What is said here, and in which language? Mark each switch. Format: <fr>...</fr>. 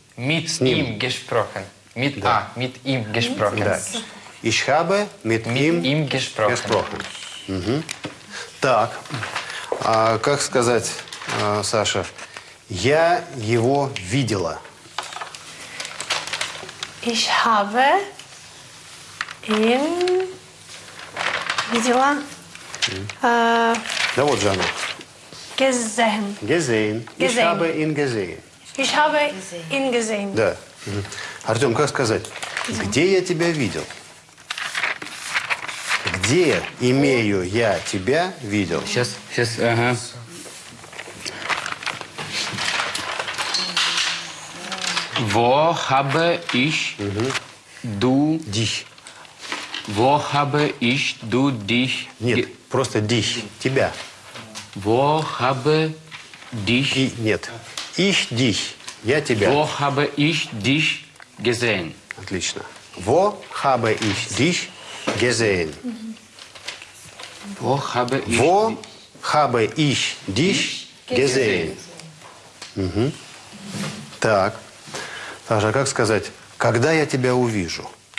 <de>Mit ihm gesprochen. Mit,</de> <ru>да.</ru> <de>А, mit ihm gesprochen. Да. Ich habe mit ihm gesprochen. Gesprochen. Угу.</de> <ru>Так, а как сказать, Саша, я его видела.</ru> <de>Ich habe ihn</de> <ru>видела. Да вот же оно.</ru> <de>Gesehen. Ich habe ihn gesehen. Ich habe ihn gesehen.</de> <ru>Да. Артём, как сказать? Где я тебя видел? Где имею я тебя видел? Сейчас, ага.</ru> <de>Wo habe ich du dich? Wo habe ich du dich?</de> <ru>Нет, просто dich, тебя.</ru> <de>Wo habe dich?</de> <ru>И, нет.</ru> <de>Ich dich.</de> <ru>Я тебя.</ru> <de>Wo habe ich dich gesehen?</de> <ru>Отлично.</ru> <de>Wo habe ich dich gesehen? Wo habe ich, wo habe ich dich gesehen?</de> <ru>Угу. Так. Саша, как сказать, когда я тебя увижу?</ru>